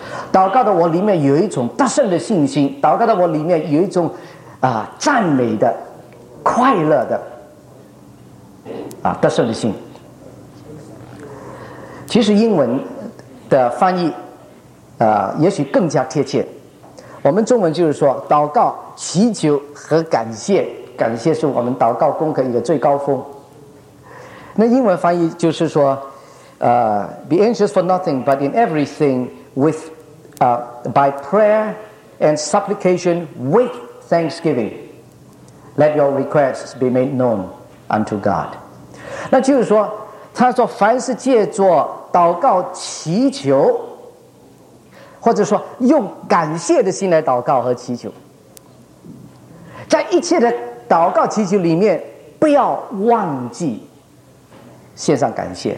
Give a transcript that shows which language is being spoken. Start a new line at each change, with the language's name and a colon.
Chinese: 祷告到我里面有一种大胜的信心，祷告到我里面有一种赞美的、快乐的大胜的心。其实英文的翻译也许更加贴切。我们中文就是说，祷告、祈求和感谢，感谢是我们祷告功课一个最高峰。那英文翻译就是说，
English: be anxious for nothing, but in everything with, by prayer and supplication with thanksgiving, let your requests be made known unto God.
Chinese: 那就是说，他说凡是借着祷告、祈求。或者说用感谢的心来祷告和祈求，在一切的祷告祈求里面不要忘记献上感谢。